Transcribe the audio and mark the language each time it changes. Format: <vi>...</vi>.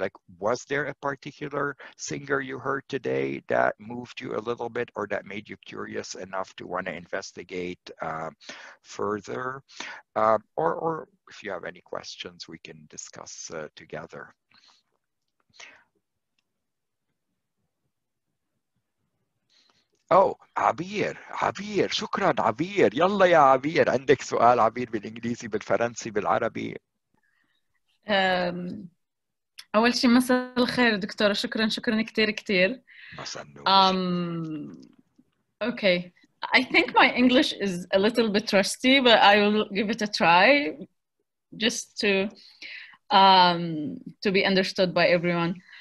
<en>Like, was there a particular singer you heard today that moved you a little bit or that made you curious enough to want to investigate further? Or if you have any questions, we can discuss together. Oh, Abir, Abir, shukran, Abir.</en> <ar>Yalla ya Abir, عندك سؤال Abir بالإنجليزي بالفرنسي بالعربي. أول شيء مساء الخير دكتورة شكراً كتير</ar> <en>okay, I think my English is a little bit rusty, but I will give it a try just to be understood by everyone.</en>